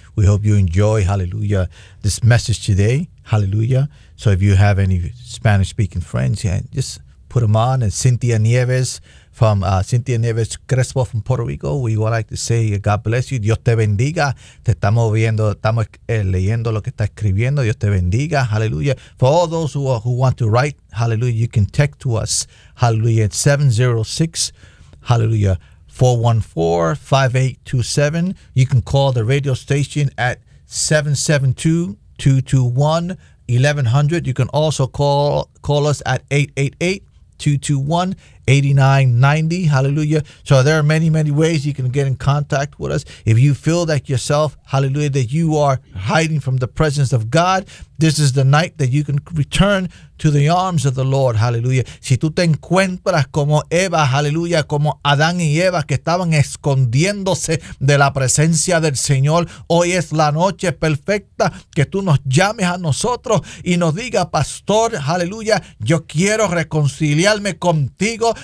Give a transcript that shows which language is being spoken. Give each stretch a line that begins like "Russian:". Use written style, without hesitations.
English: We hope you enjoy, hallelujah, this message today. Hallelujah. So if you have any Spanish-speaking friends, yeah, just put them on. And Cynthia Nieves. From Cynthia Nieves Crespo from Puerto Rico, we would like to say God bless you.
Spanish: Dios te bendiga. Te estamos viendo, estamos leyendo lo que está escribiendo. Dios te bendiga. Hallelujah.
English: For all those who want to write, hallelujah, you can text to us. Hallelujah. At 706, hallelujah, 414-5827. You can call the radio station at 772-221-1100. You can also call us at 888-221-8990. Hallelujah. So there are many, many ways you can get in contact with us. If you feel that yourself, hallelujah, that you are hiding from the presence of God, this is the night that you can return to the arms of the Lord. Hallelujah.
Spanish: Si tú te encuentras como Eva, hallelujah, como Adán y Eva, que estaban escondiéndose de la presencia del Señor, hoy es la noche perfecta que tú nos llames a nosotros y nos diga, pastor, hallelujah, yo quiero reconciliarme contigo.